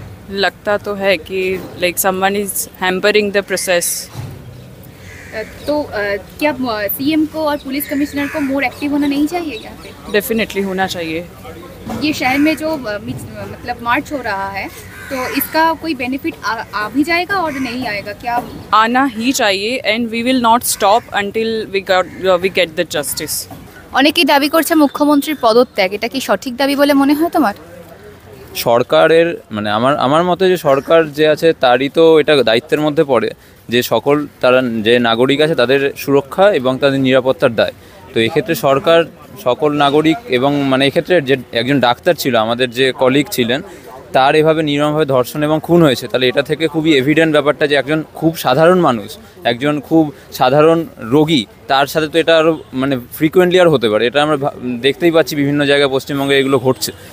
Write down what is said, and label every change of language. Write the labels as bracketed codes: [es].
[hi] लगता तो है कि [en] like someone is hampering the process. [hi] तो क्या सीएम को और पुलिस कमिश्नर को मोर एक्टिव होना नहीं चाहिए यहाँ पे? डेफिनेटली होना चाहिए। ये शहर में जो मतलब मार्च हो रहा है तो इसका कोई बेनिफिट आ भी जाएगा और नहीं आएगा क्या? आना ही चाहिए [en] And we will not stop until we get the justice. [bn] অনেকেই দাবি করছে মুখ্যমন্ত্রীর পদত্যাগ, এটা কি সঠিক দাবি বলে মনে হয় তোমার? সরকারের মানে আমার মতে যে সরকার যে আছে তারই তো এটা দায়িত্বের মধ্যে পড়ে যে সকল তারা যে নাগরিক আছে তাদের সুরক্ষা এবং তাদের নিরাপত্তার দায়। তো এক্ষেত্রে সরকার সকল নাগরিক এবং মানে এক্ষেত্রে যে একজন ডাক্তার ছিল আমাদের যে কলিগ ছিলেন তার এভাবে নির্মমভাবে ধর্ষণ এবং খুন হয়েছে, তাহলে এটা থেকে খুবই এভিডেন্ট ব্যাপারটা যে একজন খুব সাধারণ মানুষ, একজন খুব সাধারণ রোগী, তার সাথে তো এটা আরও মানে ফ্রিকোয়েন্টলি আর হতে পারে, এটা আমরা দেখতেই পাচ্ছি বিভিন্ন জায়গায় পশ্চিমবঙ্গে এগুলো ঘটছে।